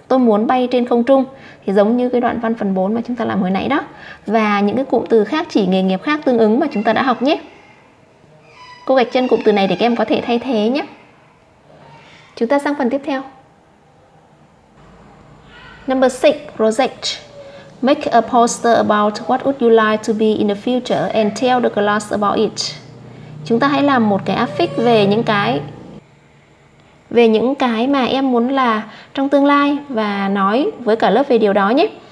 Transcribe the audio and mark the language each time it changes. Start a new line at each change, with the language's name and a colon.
Vietnamese: Tôi muốn bay trên không trung. Thì giống như cái đoạn văn phần 4 mà chúng ta làm hồi nãy đó. Và những cái cụm từ khác chỉ nghề nghiệp khác tương ứng mà chúng ta đã học nhé. Cô gạch chân cụm từ này để các em có thể thay thế nhé. Chúng ta sang phần tiếp theo.
English: Number 6, project. Make a poster about what would you like to be in the future and tell the class about it.
Vietnamese: Chúng ta hãy làm một cái affix về những cái mà em muốn là trong tương lai và nói với cả lớp về điều đó nhé.